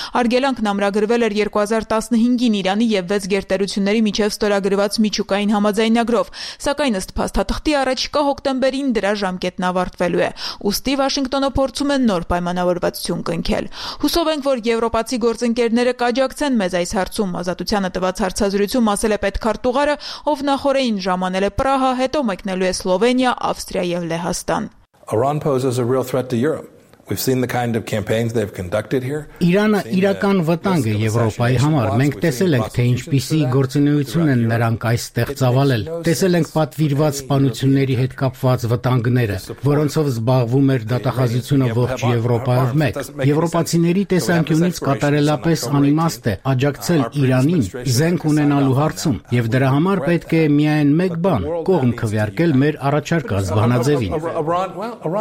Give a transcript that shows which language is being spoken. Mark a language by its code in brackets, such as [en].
[hy] Արգելանքն ամրագրվել էր 2015-ին Իրանի եւ 6 գերտերությունների միջև ստորագրված միջուկային համաձայնագրով, սակայն ըստ փաստաթղթի առաջիկա հոկտեմբերին դրա ժամկետն ավարտվելու է։ Ուստի Վաշինգտոնը փորձում է նոր պայմանավորվածություն կնքել։ Հուսով ենք, որ եվրոպացի գործընկերները կաջակցեն են մեզ այս հարցում, ազատությանը տված հարցազրույցում ասել է պետ քարտուղարը, ով նախորդին ժամանել է Պրահա, հետո մեկնելու է Սլովենիա, Ավստրիա եւ Լեհաստան. [en] Iran poses a real threat to Europe. We've seen the kind of campaigns they've conducted here. [hy] Իրանը իրական վտանգ է Եվրոպայի համար։ Մենք տեսել ենք, թե ինչպիսի գործունեություն են նրանք այստեղ ծավալել։ Տեսել ենք պատվիրված սպանությունների հետ կապված վտանգները, որոնցով զբաղվում էր դատախազությունը ողջ Եվրոպայով մեկ։ Եվրոպացիների տեսանկյունից կատարելապես անիմաստ է աջակցել Իրանին զենք ունենալու հարցում, և դրա համար պետք է միայն մեկ բան՝ կողմ քվեարկել մեր առաջարկը զբանաձևին։